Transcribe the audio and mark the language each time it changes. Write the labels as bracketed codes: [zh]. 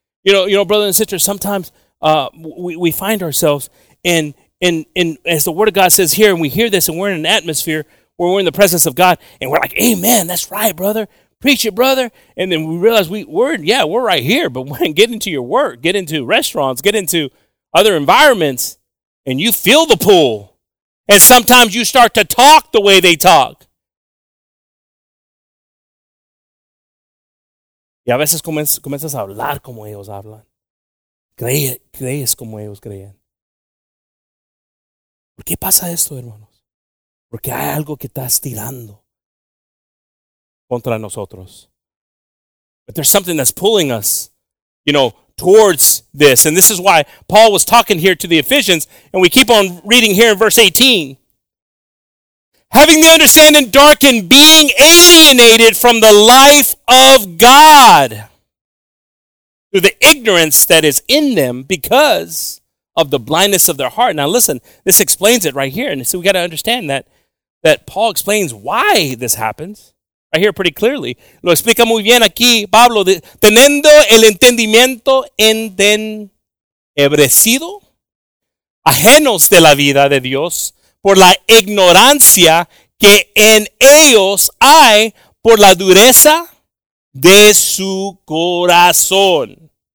[en] You know, brothers and sisters, sometimes we find ourselves in as the Word of God says here, and we hear this, and we're in an atmosphere where we're in the presence of God, and we're like, amen, that's right, brother. Preach it, brother. And then we realize we're right here, but when get into your work, get into restaurants, get into other environments, and you feel the pull. And sometimes you start to talk the way they talk. [es] Y a veces comienzas a hablar como ellos hablan. Crees como ellos creen. ¿Por qué pasa esto, hermanos? Porque hay algo que está estirando contra nosotros. [en] But there's something that's pulling us, you know, towards this. And this is why Paul was talking here to the Ephesians. And we keep on reading here in verse 18. Having the understanding darkened, being alienated from the life of God through the ignorance that is in them because of the blindness of their heart. Now listen, this explains it right here. And so we got to understand that Paul explains why this happens. I hear pretty clearly. [es] Lo explica muy bien aquí, Pablo, teniendo el entendimiento enebrecido, ajenos de la vida de Dios, por la ignorancia que en ellos hay, por la dureza de su corazón.